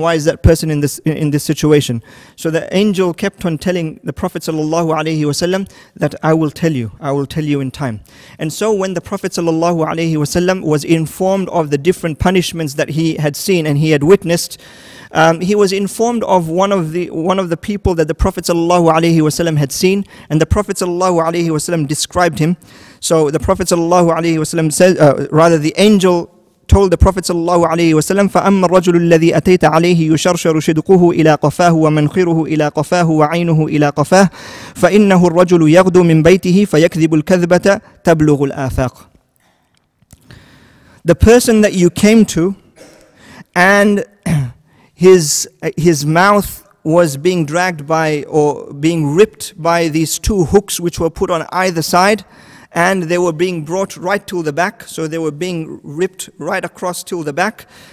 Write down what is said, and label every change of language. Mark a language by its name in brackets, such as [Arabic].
[English] Why is that person in this situation? So the angel kept on telling the Prophet sallallahu alayhi wasallam that I will tell you in time. And so when the Prophet sallallahu alayhi wasallam was informed of the different punishments that he had seen and he had witnessed, he was informed of one of the people that the Prophet sallallahu alayhi wasallam had seen, and the Prophet sallallahu alayhi wasallam described him. So the Prophet sallallahu alayhi wasallam the angel told the Prophet sallallahu alayhi wasallam, [Arabic] فَأَمَّا الرَّجُلُ الَّذِي أَتَيْتَ عَلَيْهِ يُشَرْشَرُ شِدْقُهُ إِلَىٰ قَفَاهُ وَمَنْخِرُهُ إِلَىٰ قَفَاهُ وَعَيْنُهُ إِلَىٰ قَفَاهُ فَإِنَّهُ الرَّجُلُ يَغْدُو مِنْ بَيْتِهِ فَيَكْذِبُ الْكَذْبَةَ تَبْلُغُ الْآفَاقُ. [English] The person that you came to and his mouth was being dragged by or being ripped by these two hooks which were put on either side, and they were being brought right to the back, so they were being ripped right across to the back.